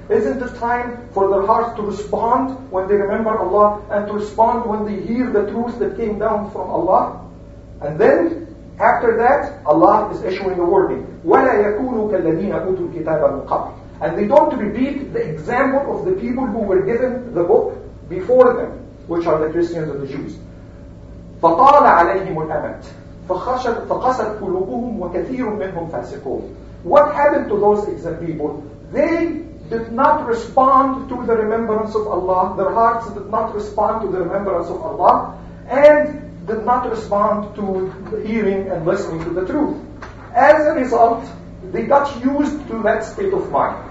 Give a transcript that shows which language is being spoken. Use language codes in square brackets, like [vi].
[en] Isn't the time for their hearts to respond when they remember Allah and to respond when they hear the truth that came down from Allah? And then, after that, Allah is issuing a warning. [ar] وَلَا يَكُونُوا كَالَّذِينَ أُوتُوا الْكِتَابَ مِنْ قَبْلِ [en] And they don't repeat the example of the people who were given the book before them, which are the Christians and the Jews. [ar] فَطَالَ عَلَيْهِمُ الْأَمَدْ فَقَسَتْ قُلُوبُهُمْ وَكَثِيرٌ مِّنْهُمْ فَاسِقُونَ [en] What happened to those people? They did not respond to the remembrance of Allah. Their hearts did not respond to the remembrance of Allah and did not respond to hearing and listening to the truth. As a result, they got used to that state of mind.